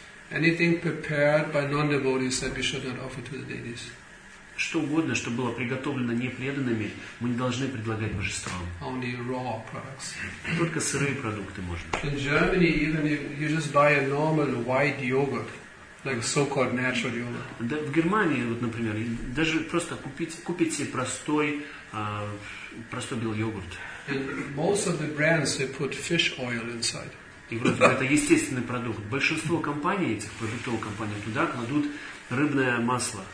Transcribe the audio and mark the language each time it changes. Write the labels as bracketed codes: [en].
[en] Anything prepared by non-devotees that we should not offer to the deities. [ru] Что угодно, что было приготовлено непреданными, мы не должны предлагать божествам. [en] Only raw products. [ru] Только сырые продукты можно. [en] In Germany, even if you just buy a normal white yogurt, like so-called natural yogurt. [ru] Да, в Германии, вот, например, даже просто купите простой белый йогурт. [en] And most of the brands they put fish oil inside. [ru] И вроде бы это естественный продукт. Большинство компаний, этих продуктовых компаний, туда кладут рыбное масло.